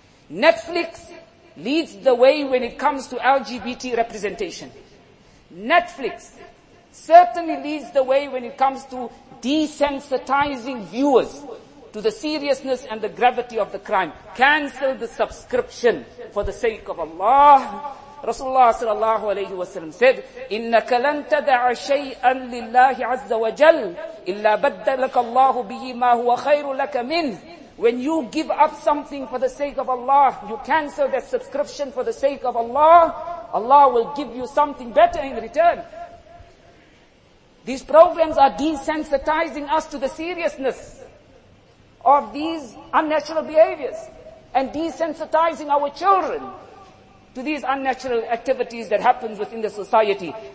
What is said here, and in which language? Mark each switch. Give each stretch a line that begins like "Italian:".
English: Netflix leads the way when it comes to LGBT representation. Netflix certainly leads the way when it comes to desensitizing viewers to the seriousness and the gravity of the crime. Cancel the subscription for the sake of Allah. Rasulullah sallallahu alayhi wa sallam said,
Arabic: إِنَّكَ لَن تَدَعَ شَيْئًا لِلَّهِ عَزَّ وَجَلُ إِلَّا بَدَّلَكَ اللَّهُ بِهِ مَا هُوَ خَيْرُ لَكَ مِنْهِ.
English: When you give up something for the sake of Allah, you cancel that subscription for the sake of Allah, Allah will give you something better in return. These programs are desensitizing us to the seriousness of these unnatural behaviors and desensitizing our children to these unnatural activities that happens within the society.